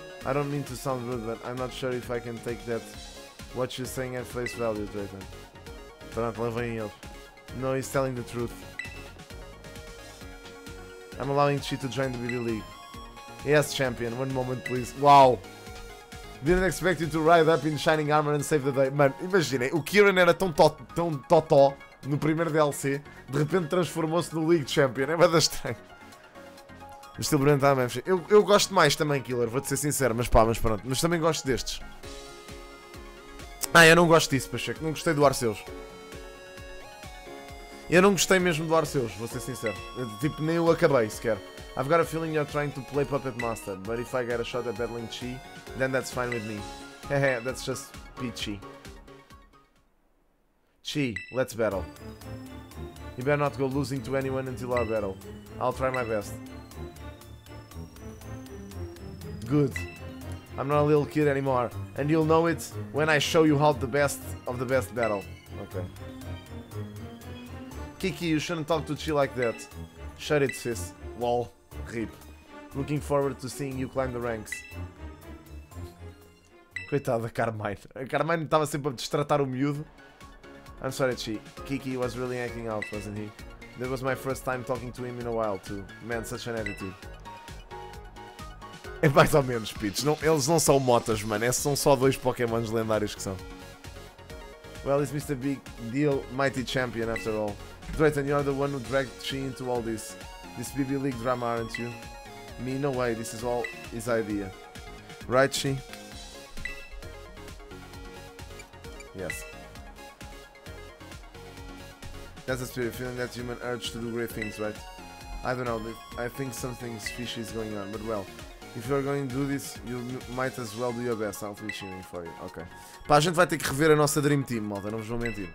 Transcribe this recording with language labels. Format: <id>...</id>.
<en>I don't mean to sound rude, but I'm not sure if I can take that what you're saying at face value, Drayton.</en> <pt>Pronto, levem ele.</pt> <en>No, he's telling the truth. I'm allowing Chi to join the BB League. Yes, champion. One moment, please. Wow! Didn't expect you to ride up in shining armor and save the day.</en> <pt>Mano, imaginem, o Kieran era tão totó no primeiro DLC, de repente transformou-se no League Champion. É verdade estranho. Estilo brilhante da Memphis. Eu gosto mais também, Killer, vou-te ser sincero, mas pá, mas pronto. Mas também gosto destes. Ah, eu não gosto disso, Pacheco. Não gostei do Arceus. Eu não gostei mesmo do Arceus, vou ser sincero. Tipo, nem o acabei sequer.</pt> <en>I've got a feeling you're trying to play Puppet Master, but if I get a shot at battling Chi, then that's fine with me. Hehe, that's just peachy. Chi, let's battle. You better not go losing to anyone until our battle. I'll try my best. Good. I'm not a little kid anymore, and you'll know it when I show you how the best of the best battle. Okay. Kiki, you shouldn't talk to Chi like that. Shut it, sis. Lol. Rip. Looking forward to seeing you climb the ranks.</en> <pt>Coitado da Carmine. A Carmine estava sempre a destratar o miúdo.</pt> <en>I'm sorry, Chi. Kiki was really acting out, wasn't he? That was my first time talking to him in a while, too. Man, such an attitude.</en> <pt>É mais ou menos, Peach. Não, eles não são motas, mano. Esses são só dois Pokémons lendários que são.</pt> <en>Well, it's Mr. Big Deal, Mighty Champion, after all. Drayton, you're the one who dragged Chi into all this. This BB League drama, aren't you? Me, no way, this is all his idea. Right, Chi? Yes. That's a spirit, feeling that human urge to do great things, right? I don't know, I think something fishy is going on, but well. If you're going to do this, you might as well do your best. I'll be cheering for you. Ok.</en> <pt>Pá, a gente vai ter que rever a nossa Dream Team, malta, não vos vou mentir.</pt>